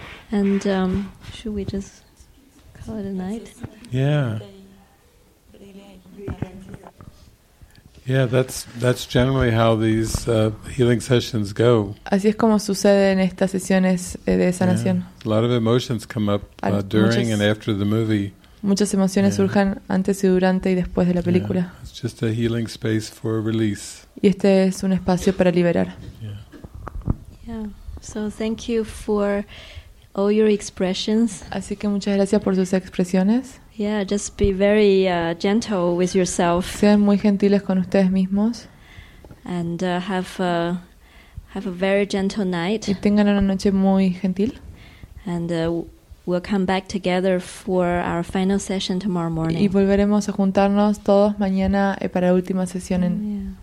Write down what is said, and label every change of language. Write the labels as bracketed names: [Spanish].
[English] And should we just call it a night? Yeah. Yeah, that's generally how these healing sessions go. [Spanish] Así es como suceden estas sesiones de sanación. [English] Yeah. A lot of emotions come up during and after the movie. [Spanish] Muchas emociones surgen antes y durante y después de la película. [English] Yeah. It's just a healing space for release. [Spanish] Y este es un espacio para liberar. [English] Yeah. So thank you for all your expressions. [Spanish] Así que muchas gracias por sus expresiones. [English] Yeah, just be very gentle with yourself. [Spanish] Sean muy gentiles con ustedes mismos. [English] And have a very gentle night. [Spanish] Y tengan una noche muy gentil. [English] And we'll come back together for our final session tomorrow morning. [Spanish] Y volveremos a juntarnos todos mañana para la última sesión.